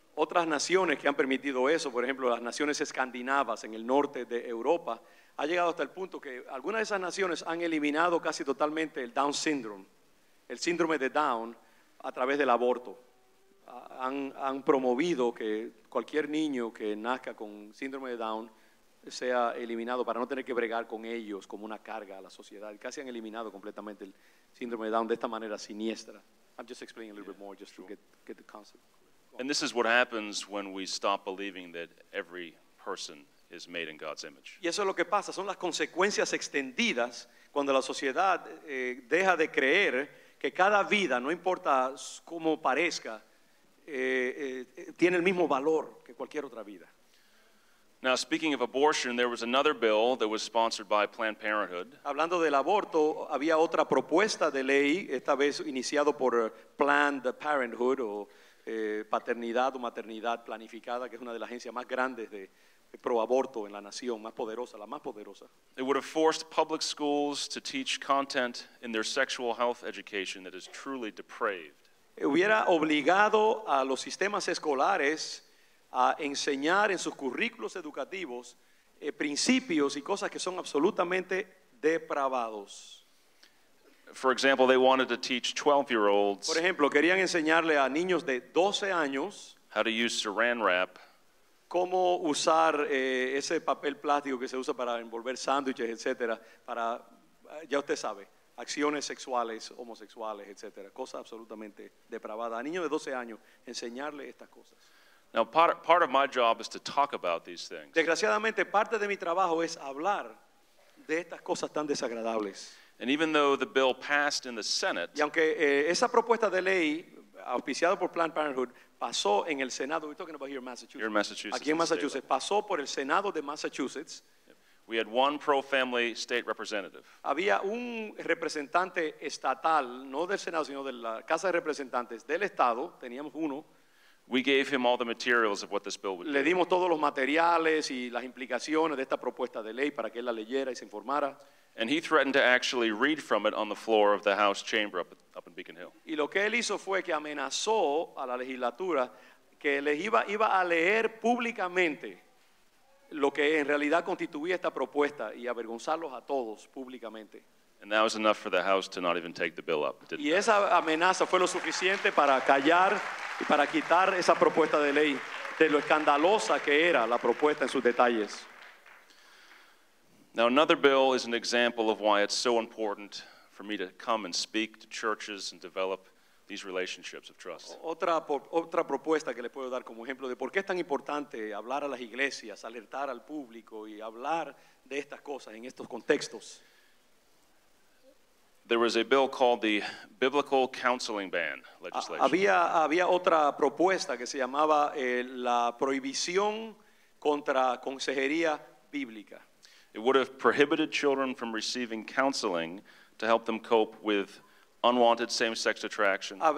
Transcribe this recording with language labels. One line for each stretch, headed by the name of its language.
Spanish: Otras naciones que han permitido eso, por ejemplo, las naciones escandinavas en el norte de Europa, ha llegado hasta el punto que algunas de esas naciones han eliminado casi totalmente el Down syndrome, el síndrome de Down, a través del aborto. Han promovido que cualquier niño que nazca con síndrome de Down sea eliminado para no tener que bregar con ellos como una carga a la sociedad. Casi han eliminado completamente el síndrome de Down de esta manera siniestra.
English: I'm just explaining a little bit more just to get the concept. And this is what happens when we stop believing that every person is made in God's image.
Spanish: Y eso es lo que pasa, son las consecuencias extendidas cuando la sociedad deja de creer que cada vida, no importa cómo parezca, tiene el mismo valor que cualquier otra vida.
English: Now, speaking of abortion, there was another bill that was sponsored by Planned Parenthood.
Spanish: Hablando del aborto, había otra propuesta de ley, esta vez iniciado por Planned Parenthood, o paternidad o maternidad planificada, que es una de las agencias más grandes de pro aborto en la nación, más poderosa, la más poderosa.
English: It would have forced public schools to teach content in their sexual health education that is truly depraved.
Spanish: Hubiera obligado a los sistemas escolares a enseñar en sus currículos educativos principios y cosas que son absolutamente depravados.
English: For example, they wanted to teach 12-year-olds.
Spanish: Por ejemplo, querían enseñarle a niños de 12 años
English: how to use Saran wrap.
Spanish: Cómo usar ese papel plástico que se usa para envolver sándwiches, etcétera, para ya usted sabe, acciones sexuales, homosexuales, etcétera, cosa absolutamente depravada. A niños de 12 años, enseñarle estas cosas.
English: Now, part of my job is to talk about these things.
Spanish: Desgraciadamente, parte de mi trabajo es hablar de estas cosas tan desagradables.
English: And even though the bill passed in the Senate,
Spanish: y aunque esa propuesta de ley auspiciada por Planned Parenthood pasó en el Senado,
English: we're talking about here in Massachusetts. Here in Massachusetts.
Spanish: Aquí en Massachusetts, pasó por el Senado de Massachusetts.
English: We had one pro-family state representative.
Spanish: Había un representante estatal, no del Senado, sino de la Casa de Representantes del Estado. Teníamos uno.
English: We gave him all the materials of what this bill would do.
Spanish: Le dimos todos los materiales y las implicaciones de esta propuesta de ley para que él la leyera y se informara.
English: And he threatened to actually read from it on the floor of the House chamber up in Beacon Hill.
Spanish: Y lo que él hizo fue que amenazó a la legislatura que les iba a leer públicamente lo que en realidad constituía esta propuesta y avergonzarlos a todos públicamente.
English: And that was enough for the House to not even take the bill up.
Spanish: Y esa amenaza fue lo suficiente para callar y para quitar esa propuesta de ley, de lo escandalosa que era la propuesta en sus detalles.
English: Now another bill is an example of why it's so important for me to come and speak to churches and develop these relationships of trust.
Spanish: Otra propuesta que le puedo dar como ejemplo de por qué es tan importante hablar a las iglesias, alertar al público y hablar de estas cosas en estos contextos.
English: There was a bill called the Biblical Counseling Ban legislation.
Spanish: Había otra propuesta que se llamaba la prohibición contra consejería bíblica.
English: It would have prohibited children from receiving counseling to help them cope with unwanted same-sex attraction.